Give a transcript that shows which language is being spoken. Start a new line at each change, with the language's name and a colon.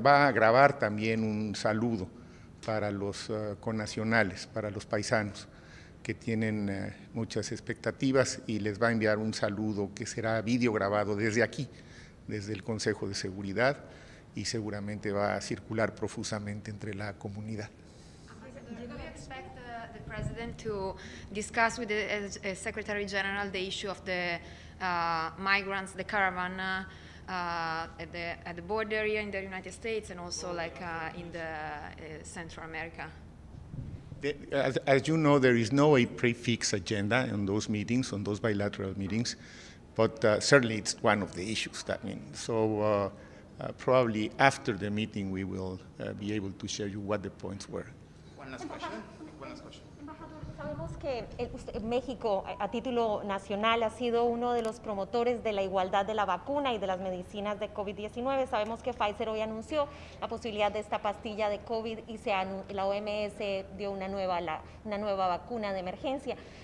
Spanish: Va a grabar también un saludo para los connacionales, para los paisanos, que tienen muchas expectativas, y les va a enviar un saludo que será videograbado desde aquí, desde el Consejo de Seguridad, y seguramente va a circular profusamente entre la comunidad.
English: Do you expect the president to discuss with the secretary general the issue of the migrants, the caravan at the border here in the United States and also like in the Central America? As you know, there is no a prefixed agenda on those meetings, on those bilateral meetings, but certainly it's one of the issues that mean. So probably after the meeting, we will be able to share you what the points were.
Spanish: Sabemos que México, a título nacional, ha sido uno de los promotores de la igualdad de la vacuna y de las medicinas de COVID-19. Sabemos que Pfizer hoy anunció la posibilidad de esta pastilla de COVID y la OMS dio una nueva vacuna de emergencia.